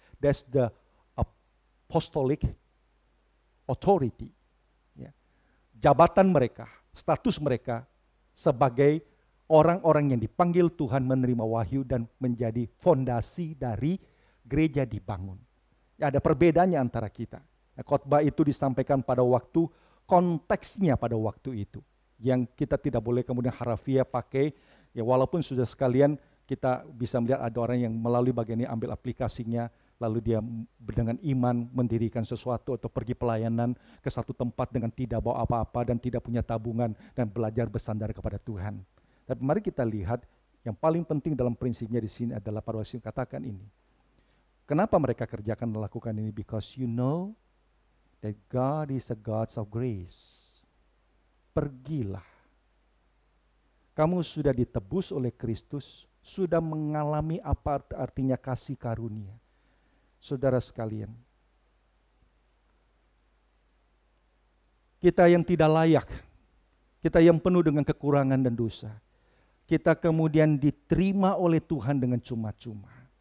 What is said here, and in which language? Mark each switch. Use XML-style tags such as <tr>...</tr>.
<en>That's the apostolic authority.</en> <id>Ya. Jabatan mereka, status mereka sebagai orang-orang yang dipanggil Tuhan menerima wahyu dan menjadi fondasi dari gereja dibangun. Ya, ada perbedaannya antara kita. Ya, khotbah itu disampaikan pada waktu, konteksnya pada waktu itu. Yang kita tidak boleh kemudian harafiah pakai, ya, walaupun sudah sekalian kita bisa melihat ada orang yang melalui bagian ini ambil aplikasinya, lalu dia dengan iman mendirikan sesuatu atau pergi pelayanan ke satu tempat dengan tidak bawa apa-apa dan tidak punya tabungan dan belajar bersandar kepada Tuhan. Tapi mari kita lihat yang paling penting dalam prinsipnya di sini adalah para wasiat katakan ini. Kenapa mereka kerjakan melakukan ini?</id> <en>Because you know that God is a God of grace.</en> <id>Pergilah. Kamu sudah ditebus oleh Kristus, sudah mengalami apa artinya kasih karunia. Saudara sekalian, kita yang tidak layak, kita yang penuh dengan kekurangan dan dosa, kita kemudian diterima oleh Tuhan dengan cuma-cuma.</id>